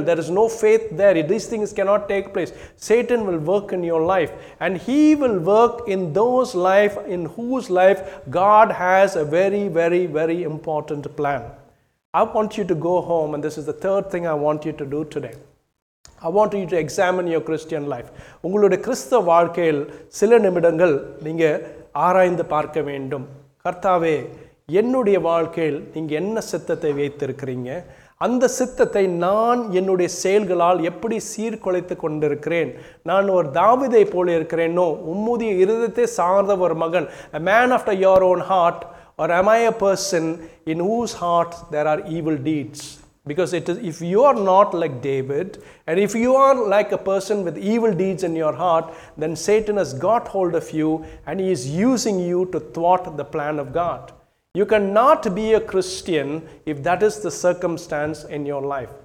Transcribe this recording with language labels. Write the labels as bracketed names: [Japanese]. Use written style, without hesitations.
[English] There is no faith there. These things cannot take place. Satan will work in your life, and he will work in those life in whose life God has a very, very, very important plan. I want you to go home, and this is the third thing I want you to do today. I want you to examine your Christian life. [Tamil] உங்களுடைய கிறிஸ்தவ வாழ்க்கையில் சில நிமிடங்கள் நீங்கள் ஆராய்ந்து பார்க்க வேண்டும். கர்த்தாவே, என்னுடைய வாழ்க்கையில் நீங்கள் என்ன சித்தத்தை வைத்திருக்கிறீங்க? அந்த சித்தத்தை நான் என்னுடைய செயல்களால் எப்படி சீர்குலைத்து கொண்டிருக்கிறேன்? நான் ஒரு தாவிதை போல இருக்கிறேனோ, உம்முடைய இருதயத்தை சார்ந்த ஒரு மகன், [English] a man after your own heart, or am I a person in whose heart there are evil deeds? Because it is, if you are not like David, and if you are like a person with evil deeds in your heart, then Satan has got hold of you and he is using you to thwart the plan of God. You cannot be a Christian if that is the circumstance in your life.